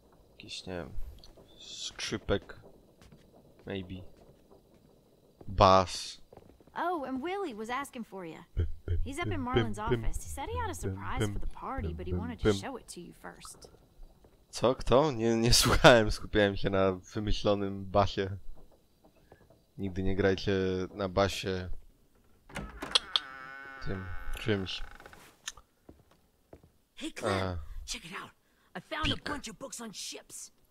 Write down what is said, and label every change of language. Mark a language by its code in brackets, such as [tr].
[pl] Jakiś, nie wiem, skrzypek. [en] Maybe. Bass. Oh, and Willie was asking for you. He's up in Marlin's office. He said he had a surprise for the party, but he wanted to show it to you first. [pl] Co? Kto? Nie słuchałem, skupiałem się na wymyślonym basie. Nigdy nie grajcie na basie tym czymś. [en] Hey Clem, check it out. I found a bunch of books on ships.